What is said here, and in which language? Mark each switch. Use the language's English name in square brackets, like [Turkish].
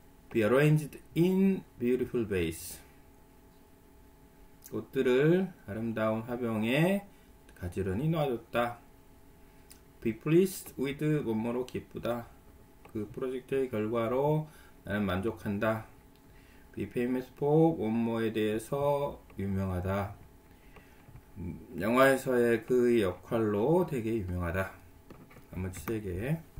[English] Be arranged in beautiful vase. [Korean] 꽃들을 아름다운 화병에 가지런히 놔뒀다. [English] Be pleased with [Korean] 뭐뭐로 기쁘다. 그 프로젝트의 결과로 나는 만족한다. [English] Be famous for [Korean] 뭐뭐에 대해서 유명하다. 영화에서의 그 역할로 되게 유명하다. 나머지 세 개.